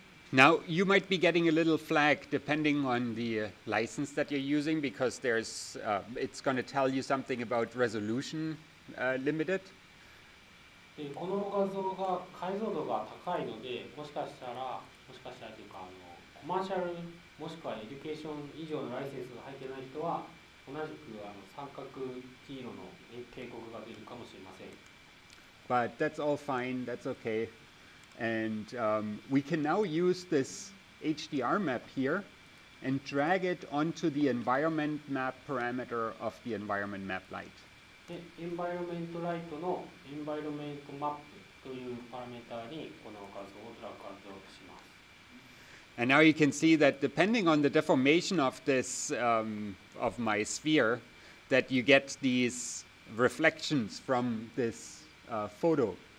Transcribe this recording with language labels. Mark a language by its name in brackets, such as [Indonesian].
[English] Now, you might be getting a little flag depending on the license that you're using, because there's, it's going to tell you something about resolution limited. [Japanese] この画像が解像度が高いので、もしかしたら、もしかしたらというか、コマーシャルもしくはエデュケーション以上のライセンスが入っていない人は、同じく三角黄色の警告が出るかもしれません。 [English] But that's all fine, that's okay. And we can now use this HDR map here and drag it onto the environment map parameter of the environment map light. [Japanese] で、エンバイロメントライトのエンバイロメントマップというパラメータにこの画像をドラッグアンドドロップします。 [English] And now you can see that depending on the deformation of this, of my sphere, that you get these reflections from this, photo.